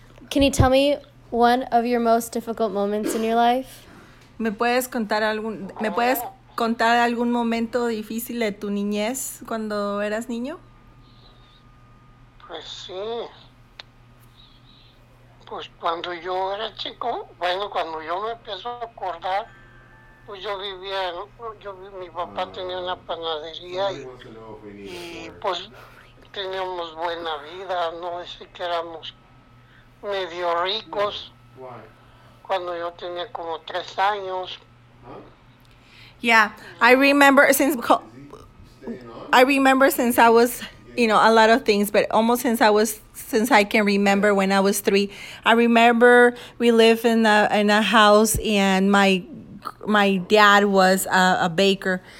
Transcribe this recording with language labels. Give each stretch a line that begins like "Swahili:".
English: Can you tell me one of your most difficult moments in your life?
Spanish: ¿Me puedes contar algún momento difícil de tu niñez cuando eras niño? Pues sí. Pues cuando yo era chico, bueno, cuando yo me empiezo a acordar, pues yo vivía, ¿no? Mi papá tenía una panadería y pues teníamos buena vida, no decir que éramos medio ricos. Cuando yo tenía como 3 años.
English: Yeah, I remember since I was, you know, a lot of things, but almost since I can remember when I was 3, I remember we lived in a house, and my dad was a baker.